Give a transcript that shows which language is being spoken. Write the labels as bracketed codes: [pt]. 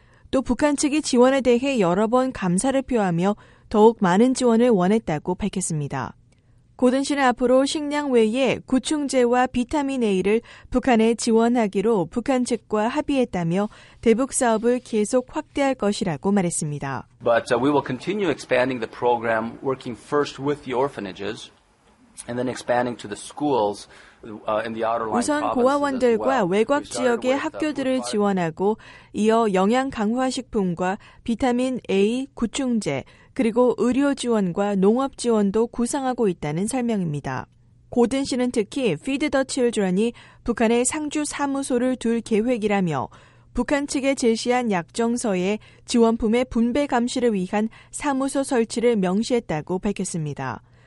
[ko] 또 북한 측이 지원에 대해 여러 번 감사를 표하며 더욱 많은 지원을 원했다고 밝혔습니다. 고든 씨는 앞으로 식량 외에 구충제와 비타민 A를 북한에 지원하기로 북한 측과 합의했다며 대북 사업을 계속 확대할 것이라고 말했습니다. [en] But we will continue expanding the program, working first with the orphanages, and then expanding to the schools. [ko] 우선 고아원들과 외곽 지역의 학교들을 지원하고 이어 영양 강화식품과 비타민 A 구충제 그리고 의료 지원과 농업 지원도 구상하고 있다는 설명입니다. 고든 씨는 특히 Feed the Children이 북한의 상주 사무소를 둘 계획이라며 북한 측에 제시한 약정서에 지원품의 분배 감시를 위한 사무소 설치를 명시했다고 밝혔습니다.